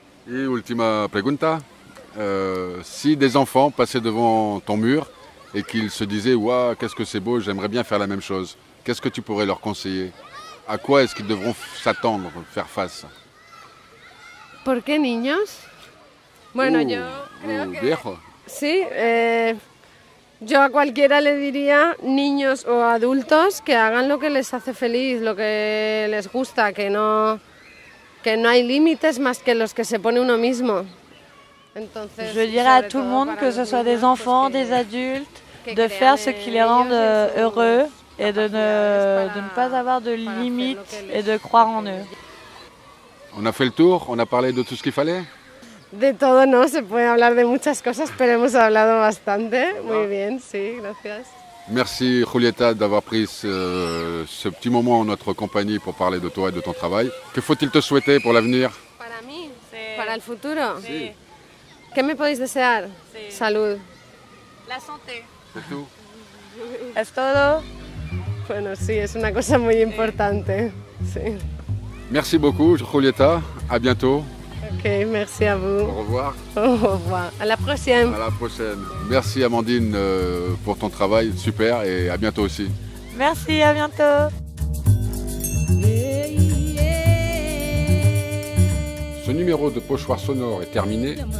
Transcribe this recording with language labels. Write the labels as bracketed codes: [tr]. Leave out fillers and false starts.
[fr] Et [es] última pregunta, [fr] si des enfants passaient devant ton mur et qu'ils se disaient waouh, qu'est-ce que c'est beau, j'aimerais bien faire la même chose, qu'est-ce que tu pourrais leur conseiller? À quoi est-ce qu'ils devront s'attendre, faire face? [es] ¿Por qué niños? Bueno, yo creo que viejo. Sí, yo a cualquiera le diría, niños o adultos, que hagan lo que les hace feliz, lo que les gusta, que no. Que no hay límites más que los que se pone uno mismo. [fr] Entonces, je dirais à tout le monde, que ce soit des enfants, pues des adultes, de faire ce qui les rend heureux et de ne pas avoir de limites et de croire en eux. On a fait le tour, on a parlé de tout ce qu'il fallait. [es] De todo no, se puede hablar de muchas cosas, pero hemos hablado bastante. Muy bien, sí, gracias. [fr] Merci Julieta d'avoir pris ce petit moment en notre compagnie pour parler de toi et de ton travail. Que faut-il te souhaiter pour l'avenir ? [es] Para mí, para el futuro. Sí. ¿Qué me podéis desear? Sí. Salud. [fr] La santé. C'est tout. [es] Es todo. Bueno, sí, es una cosa muy importante. Sí. [fr] Merci beaucoup Julieta, à bientôt. Ok, merci à vous. Au revoir. Au revoir. À la prochaine. À la prochaine. Merci Amandine pour ton travail, super, et à bientôt aussi. Merci, à bientôt. Ce numéro de Pochoir Sonore est terminé.